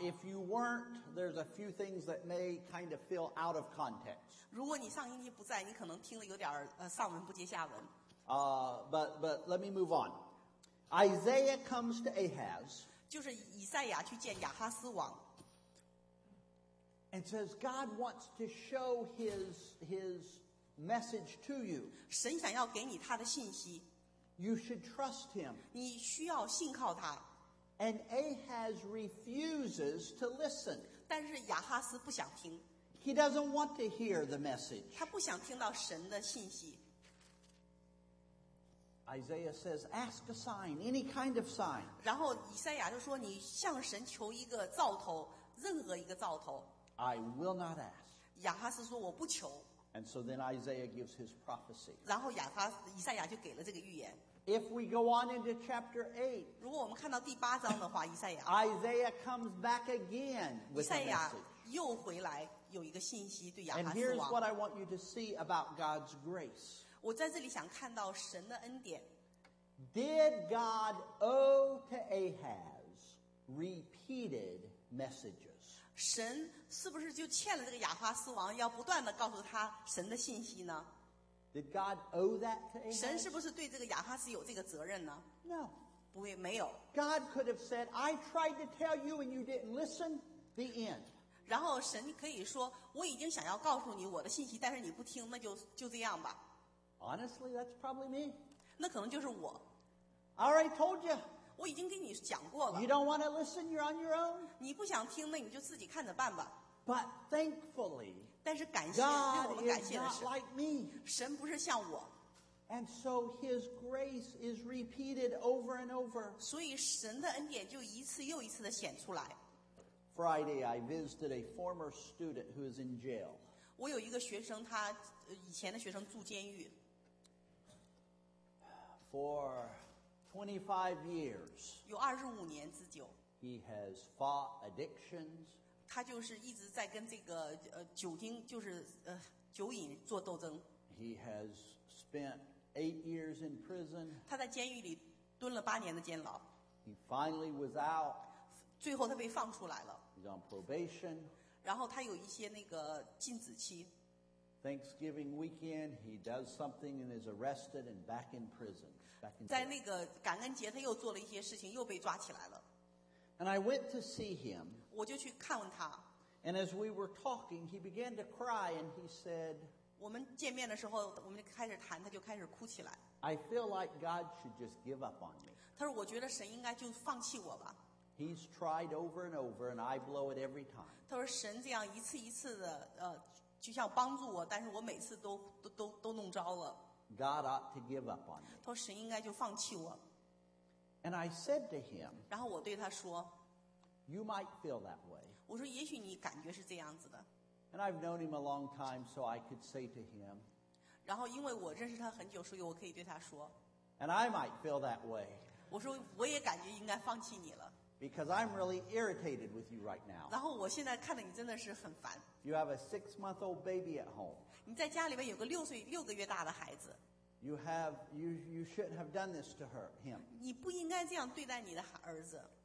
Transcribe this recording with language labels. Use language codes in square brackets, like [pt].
[en] If you weren't, there's a few things that may kind of feel out of context. [zh] 如果你上星期不在，你可能听了有点上文不接下文。 [en] But let me move on. Isaiah comes to Ahaz. [zh] 就是以赛亚去见亚哈斯王。 [en] And says God wants to show his message to you. [zh] 神想要给你他的信息。 [en] You should trust him. [zh] 你需要信靠他。 [en] And Ahaz refuses to listen. [zh] 但是亚哈斯不想听。 [en] He doesn't want to hear the message. [zh] 他不想听到神的信息。 [en] Isaiah says, ask a sign, any kind of sign. [zh] 然后以赛亚就说，你向神求一个兆头，任何一个兆头。 [en] I will not ask. [zh] 亚哈斯说，我不求。 [en] And so then Isaiah gives his prophecy. [zh] 然后以赛亚就给了这个预言。 [en] If we go on into chapter 8, [zh] 如果我们看到第八章的话，以赛亚 [en] Isaiah comes back again with a message. [zh] 又回来有一个信息对亚哈斯王。 [en] And here's what I want you to see about God's grace. [zh] 我在这里想看到神的恩典。 [en] Did God owe to Ahaz repeated messages? [zh] 神是不是就欠了这个亚哈斯王要不断的告诉他神的信息呢？ [en] Did God owe that to Ahaz? [zh] 神是不是对这个亚哈斯有这个责任呢 [en] ？No, [zh] 不会没有。 [en] God could have said, "I tried to tell you and you didn't listen." The end. [zh] 然后神可以说，我已经想要告诉你我的信息，但是你不听，那就这样吧。 [en] Honestly, that's probably me. [zh] 那可能就是我。 [en] I already told you. [zh] 我已经跟你讲过了。 [en] You don't want to listen? You're on your own. [zh] 你不想听，那你就自己看着办吧。 [en] But thankfully, [zh] 但是感谢，对我们感谢的是， [en] God is not like me. [zh] 神不是像我。 [en] And so His grace is repeated over and over. [zh] 所以神的恩典就一次又一次的显出来。 [en] Friday, I visited a former student who is in jail. [zh] 我有一个学生，他以前的学生住监狱。 [en] For 25 years, [zh] 有25年之久, [en] he has fought addictions. [zh] 他就是一直在跟这个酒精就是酒瘾做斗争。 [en] He has spent 8 years in prison. [zh] 他在监狱里蹲了八年的监牢。 [en] He finally was out. [zh] 最后他被放出来了。 [en] He's on probation. [zh] 然后他有一些那个禁止期。 [en] Thanksgiving weekend, he does something and is arrested and back in prison. [zh] 在那个感恩节，他又做了一些事情，又被抓起来了。 [en] And I went to see him. [zh] 我就去看问他。 [en] And as we were talking, he began to cry and he said, [zh] 我们见面的时候，我们开始谈，他就开始哭起来。 [en] I feel like God should just give up on me. [zh] 他说，我觉得神应该就放弃我吧。 [en] He's tried over and over and I blow it every time. [zh] 他说，神这样一次一次的就像帮助我，但是我每次都弄着了。 [en] God ought to give up on me. [zh] 他说神应该就放弃我。 [en] And I said to him, [zh] 然后我对他说， [en] You might feel that way. [zh] 我说也许你感觉是这样子的。 [en] And I've known him a long time, so I could say to him, [zh] 然后因为我认识他很久，所以我可以对他说， [en] And I might feel that way. [zh] 我说我也感觉应该放弃你了。 [en] Because I'm really irritated with you right now. [zh] 然后我现在看着你真的是很烦。 [en] You have a 6-month-old baby at home. [zh] 你在家里面有个六岁六个月大的孩子。 [en] You shouldn't have done this to him. [zh] 你不应该这样对待你的儿子。